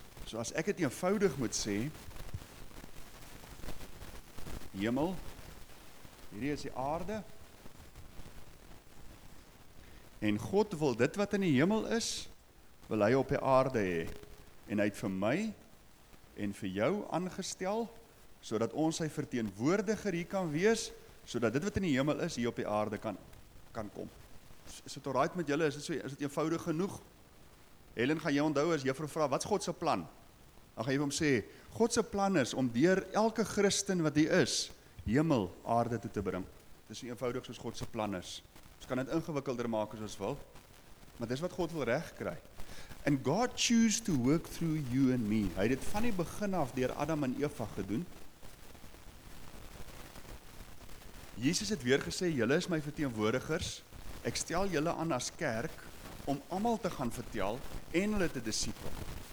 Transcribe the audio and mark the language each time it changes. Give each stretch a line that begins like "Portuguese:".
Afrikaans: So as ek het eenvoudig moet sê, hemel, hierdie is die aarde, en God wil dit wat in die hemel is, wil hy op die aarde hê, en hy het vir my en vir jou aangestel, sodat ons sy verteenwoordiger hier kan wees, sodat dit wat in die hemel is, hier op die aarde kan kom. Is dit alright met julle, is dit eenvoudig genoeg? Helen, gaan jy onthou as juffrou vra, wat is God se plan? Ek gaan jy vir hom sê, God se plan is om deur elke Christen wat hier is, hemel aarde toe te bring. Dit is nie eenvoudig soos God se plan is. Ons kan dit ingewikkelder maak as ons wil, maar dis wat God wil reg kry.
English: And God choose to work through you and me.
Afrikaans: Hy het dit van die begin af deur Adam en Eva gedoen. Jesus het weer gesê, julle is my verteenwoordigers, ek stel julle aan as kerk, om allemaal te gaan vertel, en hulle te disipel.